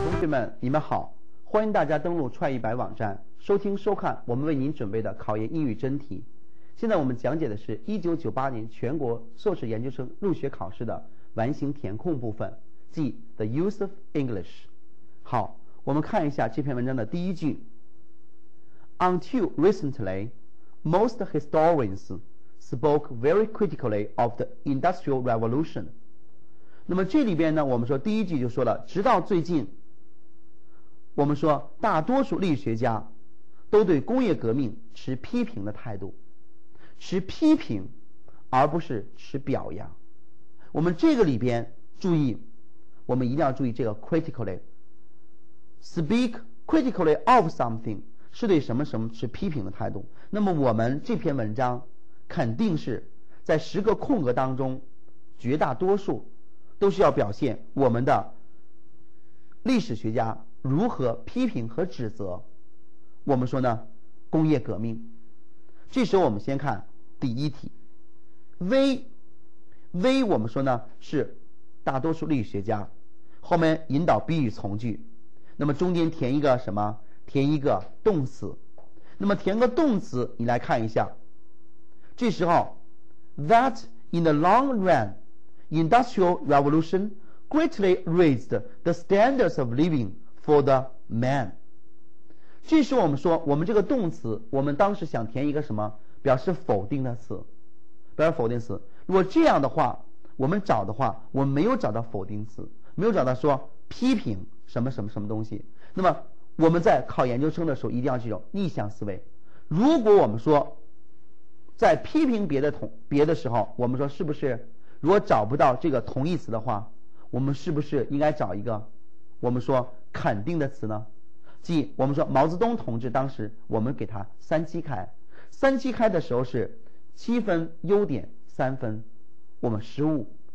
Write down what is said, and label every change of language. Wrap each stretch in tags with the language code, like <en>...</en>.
<zh>们，你们好，欢迎大家登录创意白网站，收听收看我们为您准备的考研英语真题。现在我们讲解的是1998年全国硕士研究生入学考试的完形填空部分，即 The Use of English。好，我们看一下这篇文章的第一句。</zh> <en>Until recently, most historians spoke very critically of the Industrial Revolution。</en> <zh>那么这里边呢，我们说第一句就说了，直到最近，我们说大多数历史学家都对工业革命持批评的态度，持批评而不是持表扬。我们这个里边注意，我们一定要注意这个 critically。</zh> <en>Speak critically of something</en> <zh>是对什么什么持批评的态度。那么我们这篇文章肯定是在十个空格当中，绝大多数都是要表现我们的历史学家如何批评和指责我们说呢工业革命。这时候我们先看第一题。V 我们说呢是大多数历史学家，后面引导宾语从句，那么中间填一个什么，填一个动词。那么填个动词，你来看一下，这时候</zh> <en>That in the long run Industrial Revolution greatly raised the standards of livingfor the man。</en> <zh>这是我们说我们这个动词，我们当时想填一个什么表示否定的词，表示否定词。如果这样的话，我们找的话，我们没有找到否定词，没有找到说批评什么什么什么东西。那么我们在考研究生的时候一定要记住逆向思维，如果我们说在批评别的时候，我们说是不是如果找不到这个同义词的话，我们是不是应该找一个我们说肯定的词呢，即我们说毛泽东同志当时我们给他三七开的时候是七分优点三分我们失误。</zh>